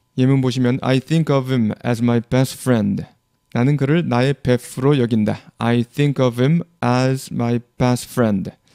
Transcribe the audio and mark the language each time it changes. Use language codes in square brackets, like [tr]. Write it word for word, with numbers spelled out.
[ko] 예문 보시면 [en] I think of him as my best friend. [ko] 나는 그를 나의 베프로 여긴다. [en] I think of him as my best friend.